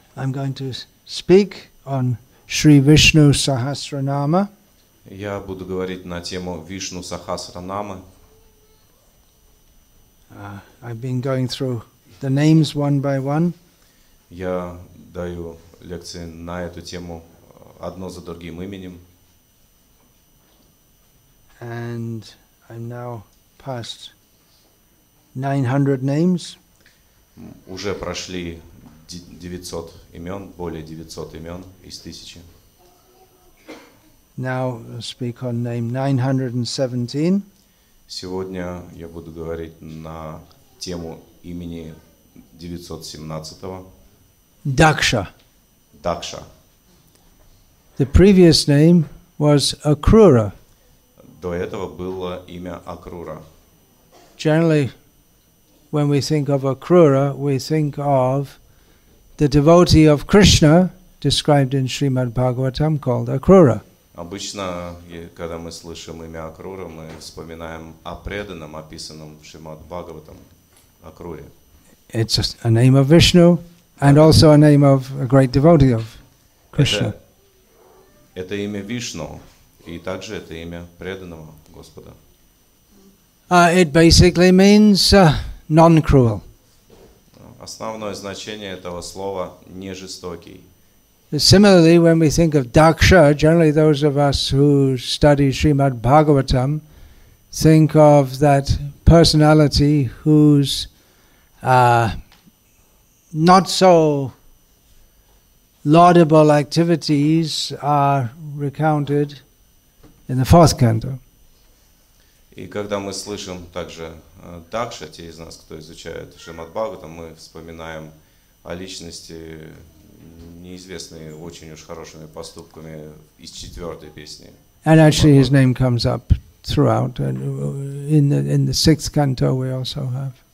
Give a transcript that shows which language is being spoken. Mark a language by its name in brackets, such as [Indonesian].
[English] I'm going to speak on Sri Vishnu Sahasranama. [Russian] Я буду говорить на тему Вишну Сахасранамы. [English] I've been going through the names one by one. [Russian] Я даю лекции на эту тему одно за другим именем. [English] And I'm now past 900 names. [Russian] Уже прошли 900 имен, более 900 имен из тысячи. [English] Now speak on name 917. [Russian] Сегодня я буду говорить на тему имени 917-го. Дакша. Дакша. [English] The previous name was Акрура. [Russian] До этого было имя Акрура. [English] Generally, when we think of Акрура, we think of the devotee of Krishna, described in Srimad Bhagavatam, called Акрура. [Russian] Обычно, когда мы слышим имя Акрура, мы вспоминаем о преданном, описанном в Шримад Бхагаватам, Акруре. [English] It's a name of Vishnu, and also a name of a great devotee of Krishna. [Russian] Это имя Вишну, и также это имя преданного Господа. [English] It basically means non-cruel. [Russian] Основное значение этого слова – нежестокий. [English] Similarly, when we think of Daksha, generally those of us who study Srimad Bhagavatam think of that personality who's not so laudable activities are recounted in the fourth canto. [Russian] И когда мы слышим также Дакша, те из нас, кто изучает Шримад Бхагаватам, мы вспоминаем о личности, неизвестные очень уж хорошими поступками из четвертой песни. [English] And actually his name comes up throughout. In the sixth canto we also have.